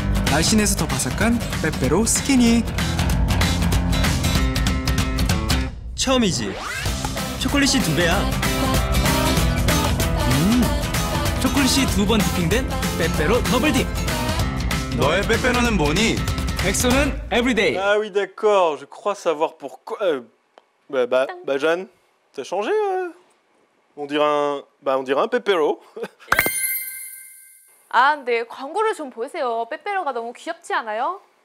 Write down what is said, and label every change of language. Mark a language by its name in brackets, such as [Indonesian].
[Korean] 날씬해서 더 바삭한 빼빼로 스키니. 처음이지. 초콜릿이 두 배야. 초콜릿이 두 번 디핑된 빼빼로 더블 딥. 너의 빼빼로는 뭐니? 엑소는 에브리데이. [French] Ah oui, d'accord. Je crois savoir pourquoi. Bah, Jeanne, t'as changé. On dirait un 빼빼로. [Korean] Ah, 네, 광고를 좀 보세요. 빼빼로가 너무 귀엽지 않아요?